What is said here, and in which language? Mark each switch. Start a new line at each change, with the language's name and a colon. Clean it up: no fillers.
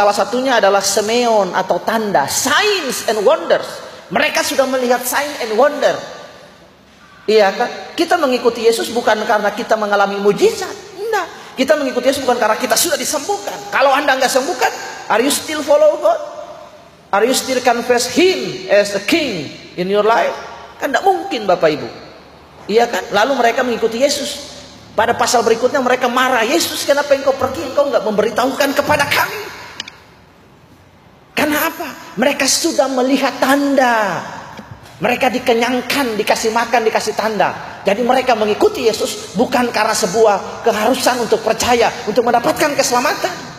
Indonesian: Salah satunya adalah semeon atau tanda.
English: Signs and wonders.
Indonesian: Mereka sudah melihat
English: sign and wonder.
Indonesian: Iya kan? Kita mengikuti Yesus bukan karena kita mengalami mujizat. Enggak. Kita mengikuti Yesus bukan karena kita sudah disembuhkan. Kalau Anda enggak sembuhkan,
English: are you still follow God? Are you still confess Him as the King in your life?
Indonesian: Kan enggak mungkin, Bapak Ibu. Iya kan? Lalu mereka mengikuti Yesus. Pada pasal berikutnya mereka marah, Yesus kenapa engkau pergi, engkau enggak memberitahukan kepada kami? Kenapa? Mereka sudah melihat tanda. Mereka dikenyangkan, dikasih makan, dikasih tanda. Jadi mereka mengikuti Yesus bukan karena sebuah keharusan untuk percaya, untuk mendapatkan keselamatan.